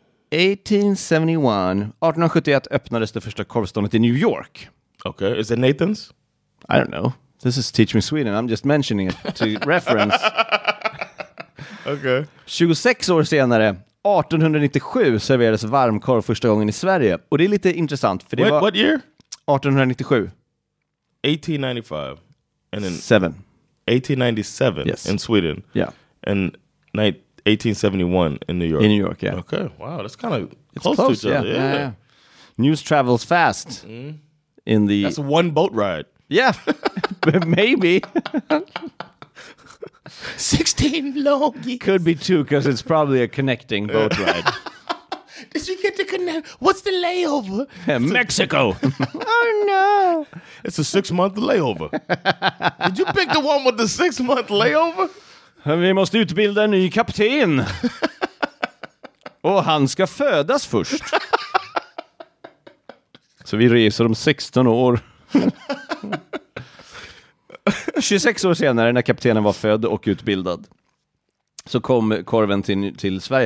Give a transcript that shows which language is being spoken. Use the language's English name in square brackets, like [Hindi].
[Swedish] 1871 öppnades det första korvståndet i New York. [English] Okay. Is it Nathan's? I don't know. This is Teach Me Sweden. I'm just mentioning it to reference. Okay. [Swedish] 26 år senare, 1897, serverades varmkorv första gången i Sverige. Och det är lite intressant. För det [English] Wait, [Swedish] var [English] what year? 1897. 1895 and then 7 1897 yes. In Sweden. Yeah. And 1871 in New York. In New York, yeah. Okay. Wow, that's kind of close to each other. Yeah. News travels fast. Mm-hmm. In the That's one boat ride. Yeah. Maybe. 16 long years. Could be two, cuz it's probably a connecting boat ride. Did you get to connect? What's the layover? Yeah, Mexico. Oh, no. It's a 6-month layover. Did you pick the one with the 6-month layover? [Swedish] Vi måste utbilda en ny kapten. Och han ska födas först. Så vi reser om 16 år. 26 år senare när kaptenen var född och utbildad så kom korven till Sverige.